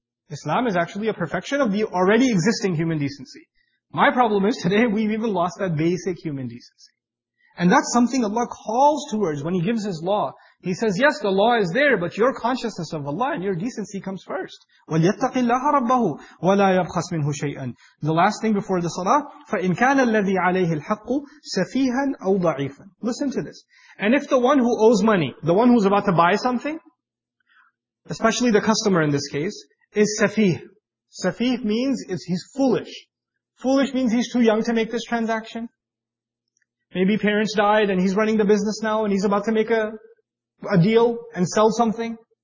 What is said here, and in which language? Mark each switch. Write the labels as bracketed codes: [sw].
[en] Islam is actually a perfection of the already existing human decency. My problem is today we've even lost that basic human decency. And that's something Allah calls towards when He gives His law. He says, yes, the law is there, but your consciousness of Allah and your decency comes first. [ar] وَلْيَتَّقِ اللَّهَ رَبَّهُ وَلَا يَبْخَسْ مِنْهُ شَيْئًا. [en] The last thing before the salah, [ar] فَإِنْ كَانَ الَّذِي عَلَيْهِ الْحَقُّ سَفِيهًا أَوْ ضَعِيفًا. [en] Listen to this. And if the one who owes money, the one who's about to buy something, especially the customer in this case, is safih. Safih means he's foolish. Foolish means he's too young to make this transaction. Maybe parents died and he's running the business now and he's about to make a deal and sell something.